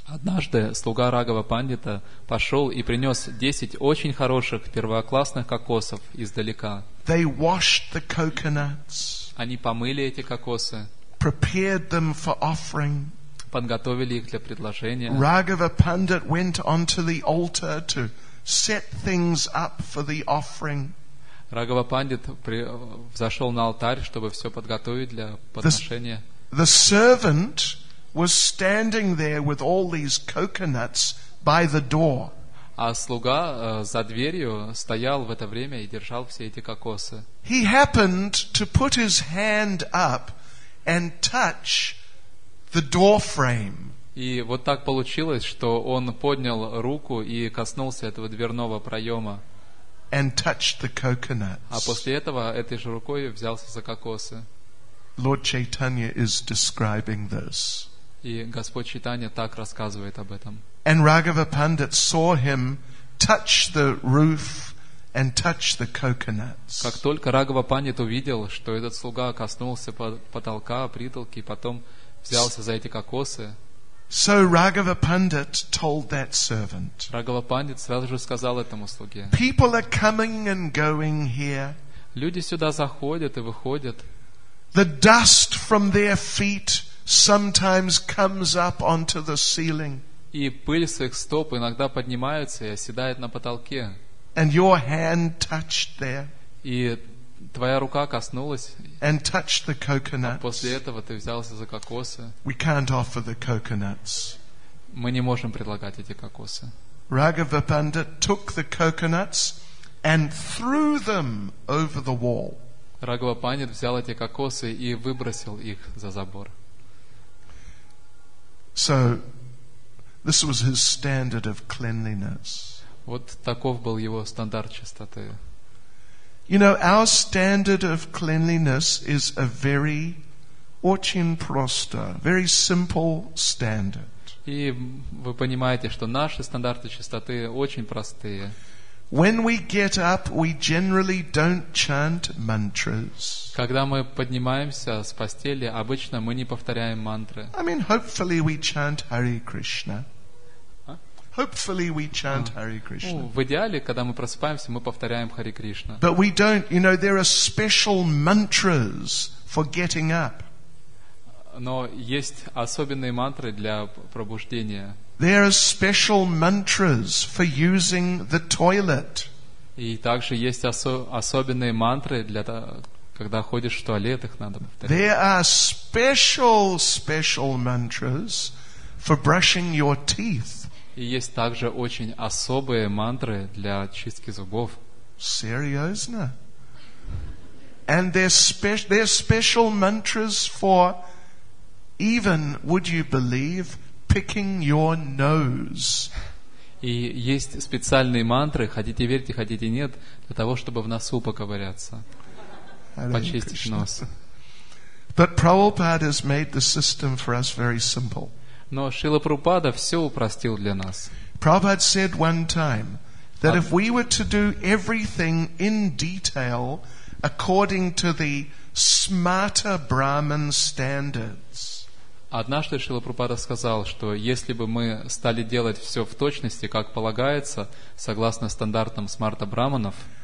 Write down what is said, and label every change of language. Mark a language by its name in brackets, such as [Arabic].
[Russian] Однажды слуга Рагава Пандита пошел и принес 10 очень хороших первоклассных кокосов издалека. [English] They washed the coconuts. [Russian] Они помыли эти кокосы. [English] Prepared them for offering. [Russian] Подготовили их для предложения. [English] Raghava Pandit went onto the altar to set things up for the offering. [Russian] Raghava Pandit взошел на алтарь, чтобы все подготовить для подношения. [English] The servant was standing there with all these coconuts by the door. [Russian] А слуга за дверью стоял в это время и держал все эти кокосы. [English] He happened to put his hand up and touch the door frame. [Russian] И вот так получилось, что он поднял руку и коснулся этого дверного проема. [English] And touched the coconuts. [Russian] А после этого этой же рукой взялся за кокосы. [English] Lord Chaitanya is describing this. [Russian] И Господь Чайтанья так рассказывает об этом. [English] And Raghava Pandit saw him touch the roof and touch the coconuts. [Russian] Как только Раghava Pandit увидел, что этот слуга коснулся потолка, притолки, и потом взялся за эти кокосы. [English] So Raghava Pandit told that servant. [Russian] Раghava Pandit сразу же сказал этому слуге. [English] People are coming and going here. [Russian] Люди сюда заходят и выходят. [English] The dust from their feet sometimes comes up onto the ceiling. [Russian] И пыль с их стоп иногда поднимается и оседает на потолке. [English] And your hand touched there. [Russian] И твоя рука коснулась. [English] And touched the coconuts. [Russian] А после этого ты взялся за кокосы. [English] We can't offer the coconuts. [Russian] Мы не можем предлагать эти кокосы. [English] Raghava Pandit took the coconuts and threw them over the wall. [Russian] Raghava Pandit взял эти кокосы и выбросил их за забор. [English] So this was his standard of cleanliness. [Russian] Вот таков был его стандарт чистоты. [English] You know, our standard of cleanliness is a very [Russian] очень просто, [English] very simple standard. [Russian] И вы понимаете, что наши стандарты чистоты очень простые. [English] When we get up, we generally don't chant mantras. [Russian] Когда мы поднимаемся с постели, обычно мы не повторяем мантры. [English] I mean, hopefully we chant Hare Krishna. Hopefully we chant Hare Krishna. [Russian] В идеале, когда мы просыпаемся, мы повторяем Хари Кришна. [English] But we don't, you know, there are special mantras for getting up. [Russian] Но есть особенные мантры для пробуждения. [English] There are special mantras for using the toilet. [Russian] И также есть особенные мантры для когда ходишь в туалет, их надо повторять. [English] There are special mantras for brushing your teeth. [Russian] И есть также очень особые мантры для чистки зубов. Серьезно? [English] And there's special mantras for even, would you believe, picking your nose. [Russian] И есть специальные мантры, хотите верьте, хотите нет, для того, чтобы в носу поковыряться, почистить нос. [English] But Prabhupada has made the system for us very simple. [Russian] Но Шрила Прабхупада все упростил для нас. [English] Prabhupada said one time that if we were to do everything in detail according to the smarter Brahman standards. [Russian] Однажды Шрила Прабхупада сказал, что если бы мы стали делать все в точности, как полагается, согласно стандартам смарта Брахманов.